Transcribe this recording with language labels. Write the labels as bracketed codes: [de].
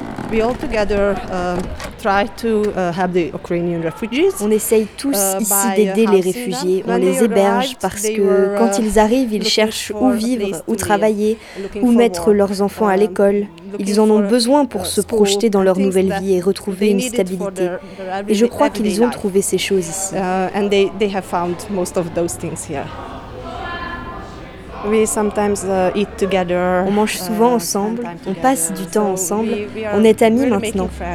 [en] We all together try to help the Ukrainian refugees. [fr] On essaye tous ici d'aider les réfugiés. On les héberge parce que quand ils arrivent, ils cherchent où vivre, où travailler, où mettre leurs enfants à l'école. Ils en ont besoin pour se projeter dans leur nouvelle vie et retrouver une stabilité. Et je crois qu'ils ont trouvé ces choses ici. [en] And they have found most of those things here. [fr] On mange souvent ensemble, on passe du temps ensemble, on est amis maintenant.